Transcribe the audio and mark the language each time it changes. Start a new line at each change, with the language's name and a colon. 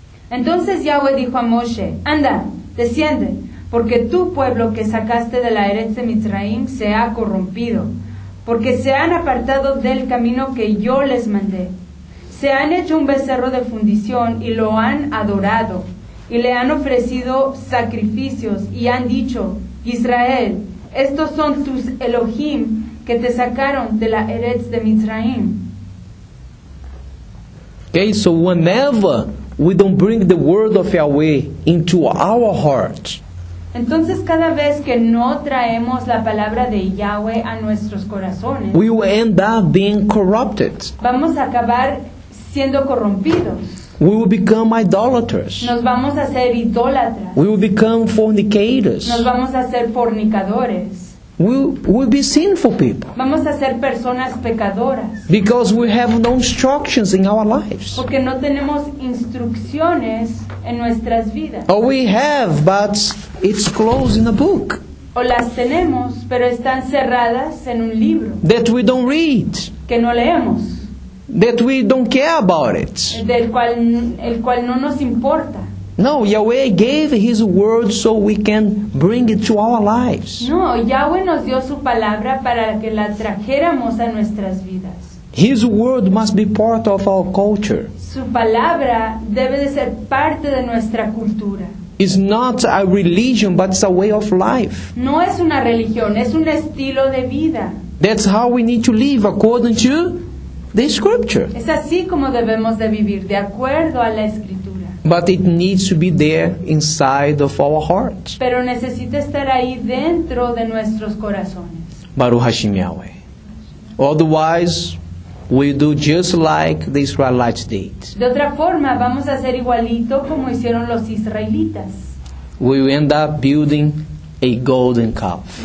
Spanish: Entonces Yahweh dijo a Moshe, "Anda, desciende, porque tu pueblo que sacaste de la Eretz de Mitzrayim se ha corrompido, porque se han apartado del camino que yo les mandé. Se han hecho un becerro de fundición y lo han adorado, y le han ofrecido sacrificios, y han dicho, 'Israel, estos son tus Elohim que te sacaron de la Eretz de Mitzrayim.'"
English: Okay, so whenever we don't bring the word of Yahweh into our heart,
Spanish: entonces cada vez que no traemos la palabra de Yahweh a nuestros corazones,
English: we will end up being corrupted.
Spanish: Vamos a acabar siendo corrompidos.
English: We will become idolaters.
Spanish: Nos vamos a ser idólatras.
English: We will become fornicators.
Spanish: Nos vamos a ser fornicadores.
English: We will be sinful people.
Spanish: Vamos a ser personas pecadoras.
English: Because we have no instructions in our lives.
Spanish: Porque no tenemos instrucciones en nuestras vidas.
English: Or we have, but it's closed in a book.
Spanish: O las tenemos, pero están cerradas en un libro.
English: That we don't read.
Spanish: Que no leemos.
English: That we don't care about it.
Spanish: El cual no nos importa.
English: No, Yahweh gave His word so we can bring it to our lives.
Spanish: No, Yahweh nos dio su palabra para que la trajéramos a nuestras vidas.
English: His word must be part of our culture.
Spanish: Su palabra debe de ser parte de nuestra cultura.
English: It's not a religion, but it's a way of life.
Spanish: No es una religión, es un estilo de vida.
English: That's how we need to live, according to the scripture.
Spanish: Es así como debemos de vivir, de acuerdo a la escritura.
English: But it needs to be there inside of our hearts.
Spanish: Pero necesita estar ahí dentro de nuestros corazones.
Hebrew: Baruch Hashem Yahweh.
English: Otherwise, we do just like the Israelites did.
Spanish: De otra forma, vamos a hacer igualito como hicieron los israelitas.
English: We end up building a golden calf.